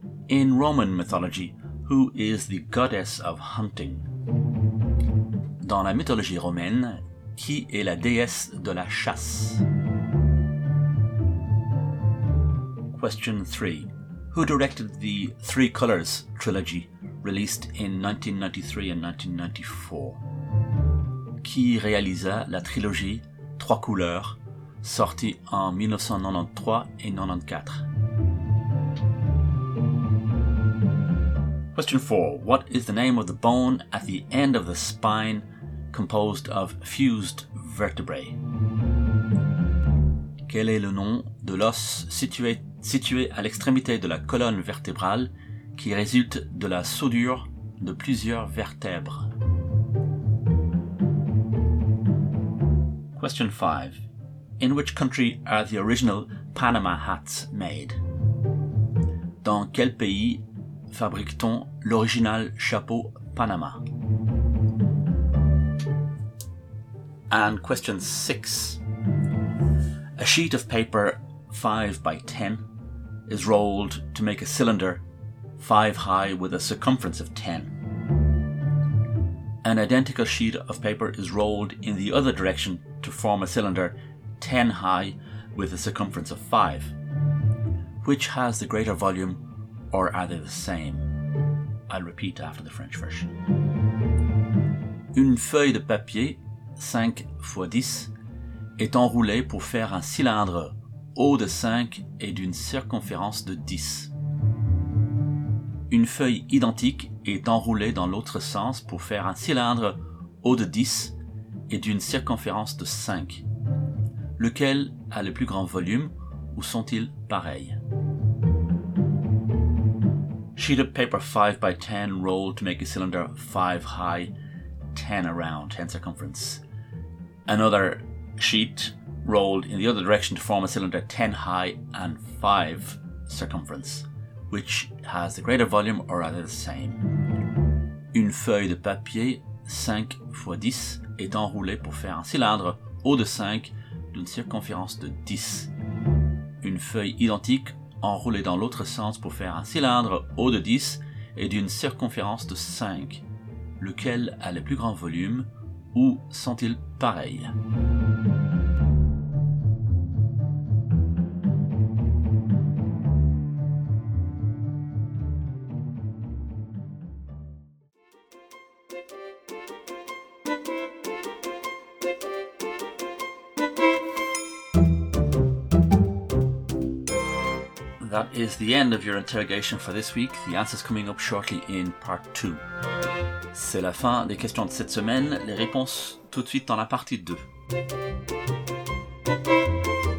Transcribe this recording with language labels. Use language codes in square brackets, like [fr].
[en] In Roman mythology, who is the goddess of hunting? [fr] Dans la mythologie romaine, qui est la déesse de la chasse? [en] Question 3. Who directed the Three Colors trilogy, released in 1993 and 1994? [fr] Qui réalisa la trilogie Trois Couleurs, sortie en 1993 et 94? [en] Question 4. What is the name of the bone at the end of the spine composed of fused vertebrae? [fr] Quel est le nom de l'os situé à l'extrémité de la colonne vertébrale qui résulte de la soudure de plusieurs vertèbres? [en] Question 5. In which country are the original Panama hats made? [fr] Dans quel pays fabrique-t-on l'original chapeau Panama? [en] And question 6. A sheet of paper 5x10 is rolled to make a cylinder 5 high with a circumference of 10. An identical sheet of paper is rolled in the other direction to form a cylinder 10 high with a circumference of 5. Which has the greater volume, or are they the same? I'll repeat after the French version. [fr] Une feuille de papier, 5 x 10, est enroulée pour faire un cylindre haut de 5 et d'une circonférence de 10. Une feuille identique est enroulée dans l'autre sens pour faire un cylindre haut de 10 et d'une circonférence de 5. Lequel a le plus grand volume ou sont-ils pareils? [en] Sheet of paper 5 by 10 rolled to make a cylinder 5 high, 10 around, 10 circumference. Another sheet rolled in the other direction to form a cylinder 10 high and 5 circumference. Which has the greater volume or are they the same? [fr] Une feuille de papier 5 x 10 est enroulée pour faire un cylindre haut de 5 d'une circonférence de 10. Une feuille identique enroulée dans l'autre sens pour faire un cylindre haut de 10 et d'une circonférence de 5. Lequel a le plus grand volume ou sont-ils pareils? [en] That is the end of your interrogation for this week. The answers coming up shortly in part 2. [fr] C'est la fin des questions de cette semaine. Les réponses tout de suite dans la partie 2.